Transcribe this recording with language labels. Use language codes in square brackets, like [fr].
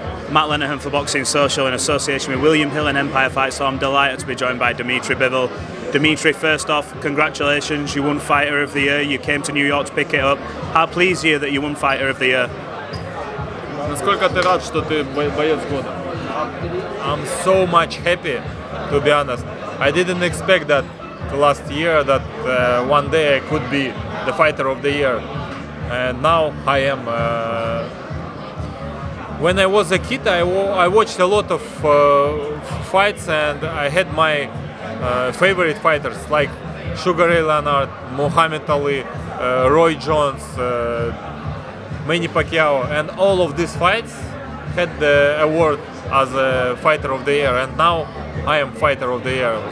[en] Matt Lenihan for Boxing Social in association with William Hill and Empire Fight, so I'm delighted to be joined by Dmitry Bivol. Dmitry, first off, congratulations, you won Fighter of the Year, you came to New York to pick it up. How pleased are you that you won Fighter of the Year? [ru] Насколько ты рад, что ты боец года? [en] I'm so much happy, to be honest. I didn't expect that the last year, that one day I could be the Fighter of the Year. And now I am. When I was a kid, I watched a lot of fights, and I had my favorite fighters like Sugar Ray Leonard, Muhammad Ali, Roy Jones, Manny Pacquiao, and all of these fights had the award as a Fighter of the Year, and now I am Fighter of the Year.